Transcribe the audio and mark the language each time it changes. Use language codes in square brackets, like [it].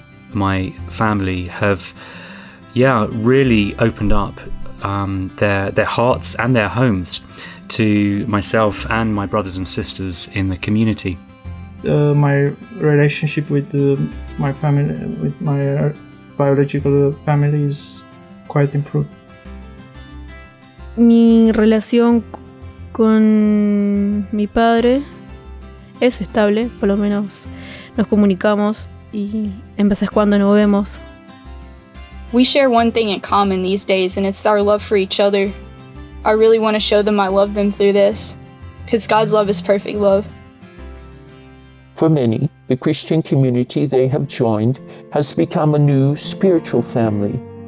[en] My family have, really opened up their hearts and their homes to myself and my brothers and sisters in the community. My relationship with my family, with my biological family, is quite improved. [es] Mi relación con mi padre es estable, por lo menos nos comunicamos y en veces cuando nos vemos. [en] We share one thing in common these days, and it's our love for each other. I really want to show them I love them through this, because God's love is perfect love. For many, the Christian community they have joined has become a new spiritual family.